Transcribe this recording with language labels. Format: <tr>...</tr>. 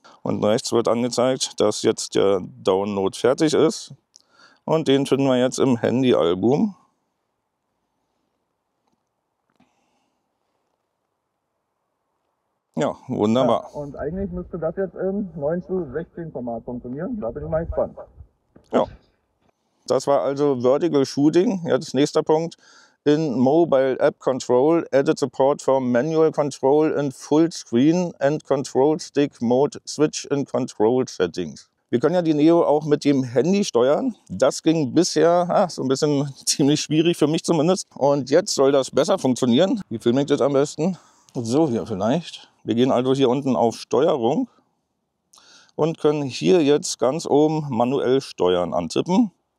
<de>Und rechts wird angezeigt, dass jetzt der Download fertig ist. Und den finden wir jetzt im Handy-Album. Ja, wunderbar. Ja, und eigentlich müsste das jetzt im 9:16 Format funktionieren. Da bin ich mal gespannt. Ja. Das war also Vertical Shooting. Jetzt nächster Punkt.</de> <en>In Mobile App Control, added support for manual control in full screen and control stick mode switch in control settings.</en> <de>Wir können ja die Neo auch mit dem Handy steuern. Das ging bisher so ein bisschen ziemlich schwierig für mich zumindest. Und jetzt soll das besser funktionieren. Wie filme ich das am besten? So hier vielleicht. Wir gehen also hier unten auf Steuerung und können hier jetzt ganz oben manuell steuern antippen.</de>